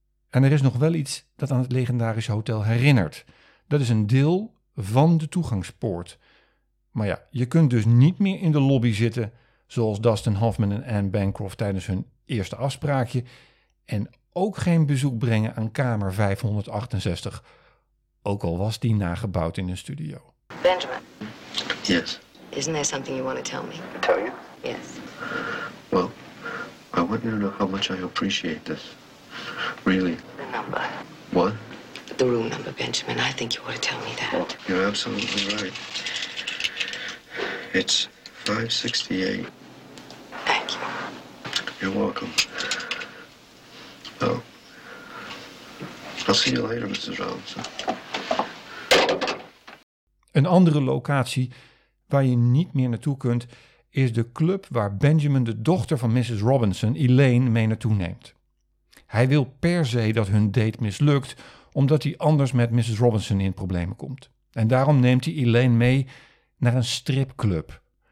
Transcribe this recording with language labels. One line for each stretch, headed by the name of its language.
Dutch: En er is nog wel iets dat aan het legendarische hotel herinnert. Dat is een deel van de toegangspoort. Maar ja, je kunt dus niet meer in de lobby zitten zoals Dustin Hoffman en Anne Bancroft tijdens hun eerste afspraakje. En ook geen bezoek brengen aan kamer 568. Ook al was die nagebouwd in een studio.
English: Benjamin. Yes. Isn't there something you want to tell me? Tell you? Yes. Well, I want you to know how much I appreciate this. Really. The number. What? The room number, Benjamin. I think you ought to tell me that. Well, you're absolutely right. It's 568. Thank you. You're welcome. Well, I'll see you later, Mr. Robinson.
Dutch: Een andere locatie waar je niet meer naartoe kunt, is de club waar Benjamin de dochter van Mrs. Robinson, Elaine, mee naartoe neemt. Hij wil per se dat hun date mislukt, omdat hij anders met Mrs. Robinson in problemen komt. En daarom neemt hij Elaine mee naar een stripclub.